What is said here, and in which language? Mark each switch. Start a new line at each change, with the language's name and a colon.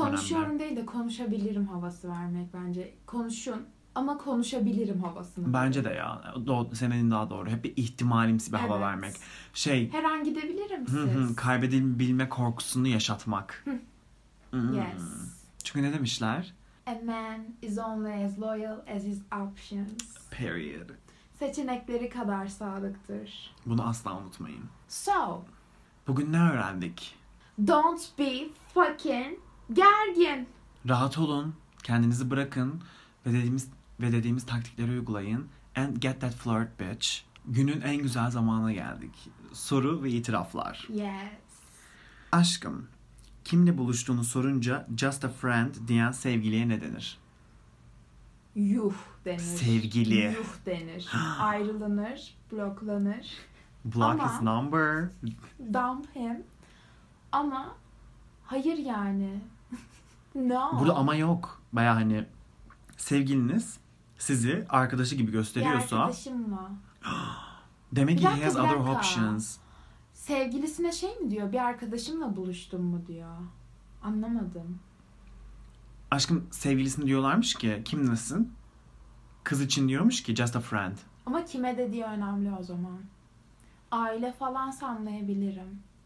Turkish: konuşuyorum önemli. Konuşuyorum değil de konuşabilirim havası vermek bence. Konuşun ama konuşabilirim havasını. Bence de ya. Senin daha doğru. Hep bir ihtimalimsi bir hava vermek. Şey. Her an gidebilirim siz. Kaybedilme korkusunu yaşatmak.
English: Yes.
Turkish: Çünkü ne demişler?
English: A man is only as loyal as his options. Period.
Turkish: Seçenekleri kadar sağlıktır. Bunu asla unutmayın.
English: So.
Turkish: Bugün ne öğrendik?
English: Don't be fucking
Turkish: gergin. Rahat olun, kendinizi bırakın ve dediğimiz taktikleri uygulayın
English: and get that flirt bitch.
Turkish: Günün en güzel zamanına geldik. Soru ve itiraflar.
English: Yes.
Turkish: Aşkım, kimle buluştuğunu sorunca
English: just a friend
Turkish: diyen sevgiliye ne denir? Yuh denir. Sevgili. Yuh denir. Ayrılanır, bloklanır.
English: Block his number. Dump him.
Turkish: Ama hayır yani.
English: No.
Turkish: Burada ama yok. Baya hani sevgiliniz sizi arkadaşı gibi gösteriyorsa. Bir arkadaşım mı? Demek ki
English: he has other options.
Turkish: Sevgilisine şey mi diyor? Bir arkadaşımla buluştum mu diyor. Anlamadım. Aşkım sevgilisini diyorlarmış ki kimlesin? Kız için diyormuş ki
English: just a friend.
Turkish: Ama kime dediği önemli o zaman. Aile falansa anlayabilirim.